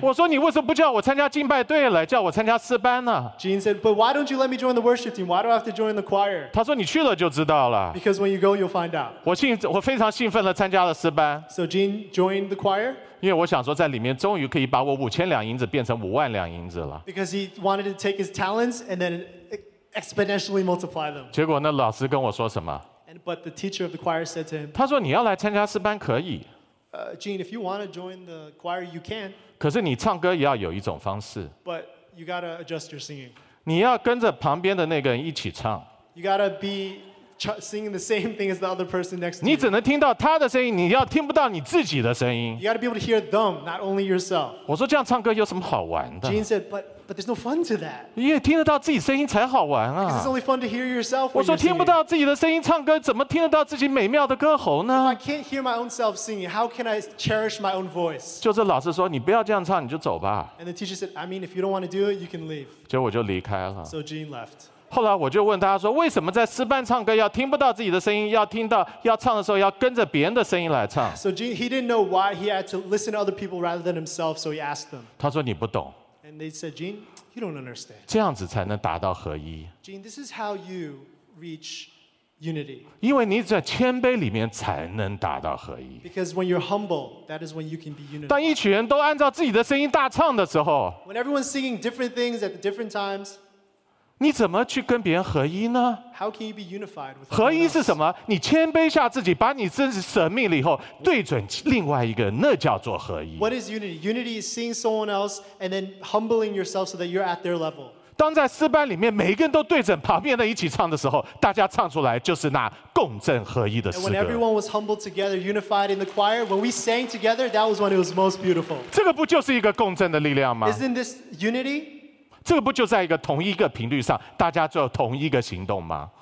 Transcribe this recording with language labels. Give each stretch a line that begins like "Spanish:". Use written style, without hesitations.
Chinese: 我说你为什么不叫我参加敬拜队了，叫我参加诗班呢
English: ？Gene said, "But why don't you let me join the worship team? Why do I have to join the choir?"
Chinese: 他说你去了就知道了。
English: Because when you go, you'll find out.
Chinese: 我非常兴奋地参加了诗班。
English: So Gene joined the choir.
Chinese: 因为我想说在里面终于可以把我5000两银子变成50000两银子了。
English: Because he wanted to take his talents and then exponentially multiply them.
Chinese: 结果那老师跟我说什么？
English: But the teacher of the choir said to him,
Chinese: 他说你要来参加诗班可以。
English: Gene, if you want to join the choir, you can.
Chinese: 可是你唱歌也要有一种方式。
English: But you gotta adjust your singing.
Chinese: 你要跟着旁边的那个人一起唱。
English: You gotta be singing the same thing as the other person next to you.
Chinese: 你只能听到他的声音，你要听不到你自己的声音。
English: You gotta be able to hear them, not only yourself.
Chinese: 我说这样唱歌有什么好玩的
English: ？Gene said, But there's no fun to that.
Chinese: 因为听得到自己声音才好玩啊。
English: It's only fun to hear yourself.
Chinese: 我说听不到自己的声音唱歌，怎么听得到自己美妙的歌喉呢
English: ？If I can't hear my own self singing, how can I cherish my own voice?
Chinese: 就是老师说你不要这样唱，你就走吧。
English: And the teacher said, "I mean, if you don't want to do it, you can leave."
Chinese: 结果我就离开了。
English: So Gene left.
Chinese: 后来我就问大家说，为什么在诗班唱歌要听不到自己的声音，要听到要唱的时候要跟着别人的声音来唱
English: ？So Gene, he didn't know why he had to listen to other people rather than himself, so he asked them.
Chinese: 他说你不懂。
English: And they said, Gene, you don't understand.
Chinese: 这样子才能达到合一。
English: Gene, this is how you reach unity.
Chinese: 因为你在谦卑里面才能达到合一。
English: Because when you're humble, that is when you can be unified.
Chinese: 当一群人都按照自己的声音大唱的时候，
English: When everyone's singing different things at different times,
Chinese: 你怎么去跟别人合一呢？
English: How can you be unified with others?
Chinese: 合一是什么？你谦卑下自己，把你真实舍命了以后，对准另外一个，那叫做合一。
English: What is unity? Unity is seeing someone else and then humbling yourself so that you're at their level.
Chinese: 当在诗班里面，每个人都对准旁边的一起唱的时候，大家唱出来就是那共振合一的诗歌。
English: And when everyone was humbled together, unified in the choir, when we sang together, that was when it was most beautiful.
Chinese: 这个不就是一个共振的力量吗？
English: Isn't this unity?
Chinese: 这个不就在一个同一个频率上，大家做同一个行动吗？